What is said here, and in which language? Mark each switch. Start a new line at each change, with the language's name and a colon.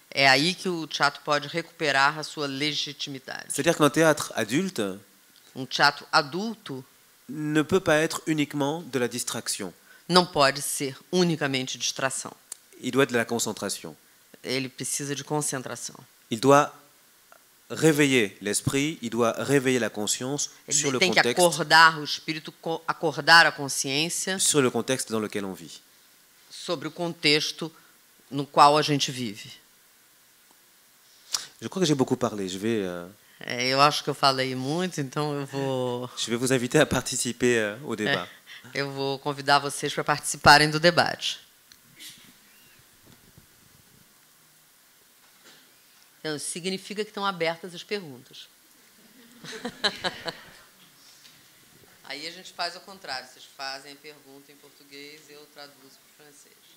Portuguese: É aí que o teatro pode recuperar a sua legitimidade.
French: C'est-à-dire qu'un théâtre adulte.
Portuguese: Um teatro adulto.
French: Ne peut pas être uniquement de la distraction.
Portuguese: Não pode ser unicamente distração.
French: Il doit être de la concentration.
Portuguese: Ele precisa de concentração.
French: Il doit réveiller l'esprit, il doit réveiller la conscience sur le contexte.
Portuguese: Tem que acordar o espírito, acordar a consciência.
French: Sur le contexte dans lequel on vit.
Portuguese: Sobre o contexto no qual a gente vive.
French: Je crois que j'ai beaucoup parlé. Je vais.
Portuguese: Eu acho que eu falei muito, então eu vou.
French: Je vais vous inviter à participer au débat.
Portuguese: Eu vou convidar vocês para participarem do debate. Então, significa que estão abertas as perguntas. Aí a gente faz o contrário. Vocês fazem a pergunta em português e eu traduzo para o francês.